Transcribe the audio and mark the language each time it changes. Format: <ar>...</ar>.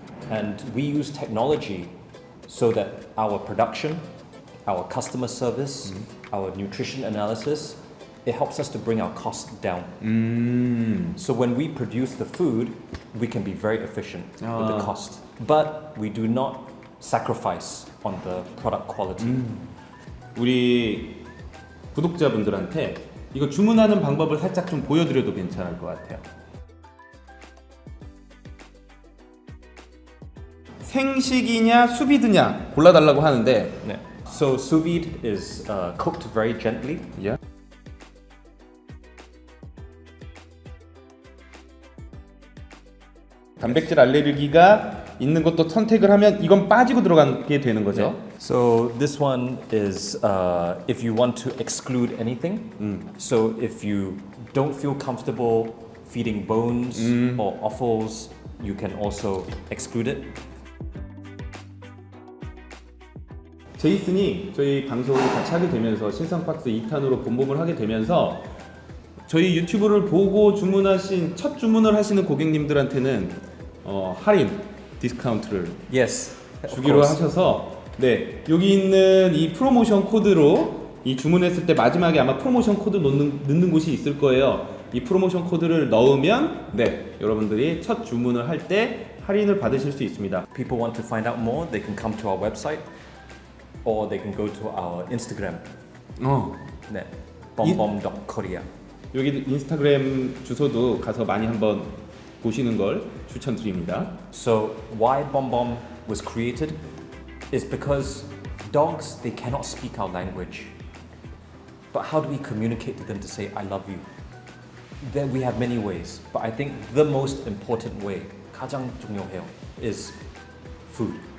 <en>And we use technology so that our production, our customer service, our nutrition analysis, it helps us to bring our cost down. So when we produce the food, we can be very efficient with the cost. But we do not sacrifice on the product quality.</en> <ko>우리 구독자분들한테 이거 주문하는 방법을 살짝 좀 보여드려도 괜찮을 것 같아요. 생식이냐 수비드냐 골라달라고 하는데. 네.</ko> <en>So sous vide is cooked very gently. Yeah.</en> <ko>단백질 알레르기가 있는 것도 선택을 하면 이건 빠지고 들어가게 되는 거죠.</ko> <en>Yeah. So this one is if you want to exclude anything. So if you don't feel comfortable feeding bones or offals, you can also exclude it.</en> <ko>제이슨이 저희 방송을 같이 하게 되면서 신상박스 2탄으로 본봉을 하게 되면서 저희 유튜브를 보고 주문하신 첫 주문을 하시는 고객님들한테는 할인 디스카운트를</ko> <en>yes,</en> <ko>주기로 하셔서 네 여기 있는 이 프로모션 코드로 이 주문했을 때 마지막에 아마 프로모션 코드 넣는 곳이 있을 거예요. 이 프로모션 코드를 넣으면 네 여러분들이 첫 주문을 할 때 할인을 받으실 수 있습니다.</ko> <en>People want to find out more, they can come to our website. Or they can go to our Instagram.</en> <ko>네, bombbomb.korea. 여기 인스타그램 주소도 가서 많이 한번 보시는 걸 추천드립니다.</ko> <en>So why bombbomb was created is because dogs, they cannot speak our language. But how do we communicate to them to say I love you? Then we have many ways. But I think the most important way,</en> <ko>가장 중요해요,</ko> <en>is food.</en>